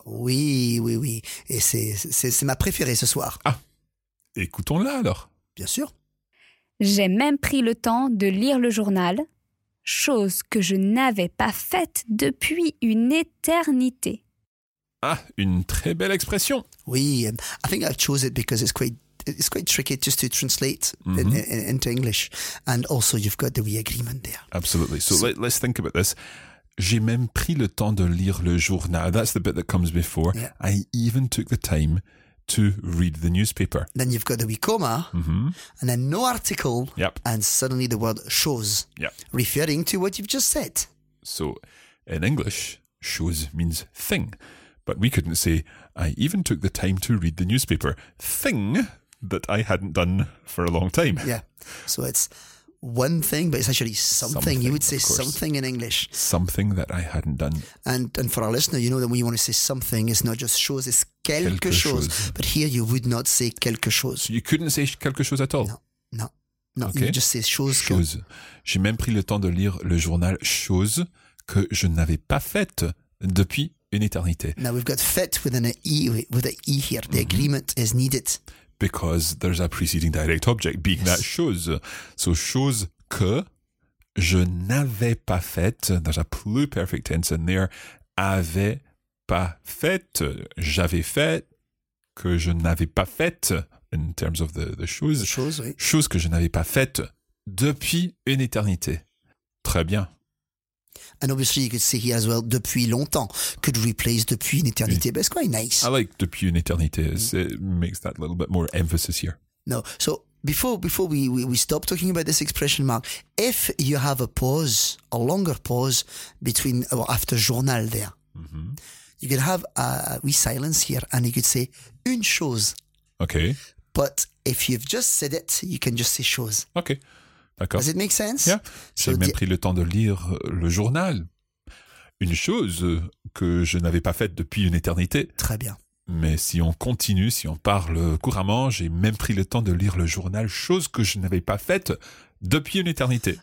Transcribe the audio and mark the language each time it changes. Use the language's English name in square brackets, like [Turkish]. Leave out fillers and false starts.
[French] Oui, oui, oui, et c'est ma préférée ce soir. Ah, écoutons-la alors. Bien sûr. J'ai même pris le temps de lire le journal, chose que je n'avais pas faite depuis une éternité. Ah, une très belle expression. [English] Oui, I think I chose it because it's quite tricky just to translate mm-hmm. into English. And also, you've got the we agreement there. Absolutely. So let's think about this. [French] J'ai même pris le temps de lire le journal. [English] That's the bit that comes before. Yeah. I even took the time to read the newspaper. Then you've got the we comma, mm-hmm. and then no article, yep. and suddenly the word chose, yep. referring to what you've just said. So in English, chose means thing. But we couldn't say, I even took the time to read the newspaper. Thing that I hadn't done for a long time. Yeah. So it's, one thing, but it's actually something. You would say something in English. Something that I hadn't done. And for our listener, you know that when you want to say something, it's not just chose, it's quelque chose. But here you would not say quelque chose. So you couldn't say quelque chose at all? No. Okay. You just say chose. [French] Chose. Que... J'ai même pris le temps de lire le journal chose que je n'avais pas faite depuis une éternité. [English] Now we've got fait with an E, with an E here. The agreement is needed. Because there's a preceding direct object being that chose. So [French] chose que je n'avais pas faite. [English] There's a pluperfect tense in there. [French] Avait pas faite. J'avais fait que je n'avais pas faite [English] in terms of the chose. The chose, oui. [French] Chose que je n'avais pas faite depuis une éternité. Très bien. [English] And obviously you could say here as well, [French] depuis longtemps, [English] could replace [French] depuis une éternité, [English] but it's quite nice. I like [French] depuis une éternité, [English] it makes that little bit more emphasis here. No, so before we stop talking about this expression, Mark, if you have a pause, a longer pause between, well, after journal there, you could have a wee silence here and you could say une chose. Okay. But if you've just said it, you can just say chose. [French] Okay. D'accord. [English] Does it make sense? Yeah. [French] J'ai même pris le temps de lire le journal. Une chose que je n'avais pas faite depuis une éternité. Très bien. Mais si on continue, si on parle couramment, j'ai même pris le temps de lire le journal, chose que je n'avais pas faite depuis une éternité.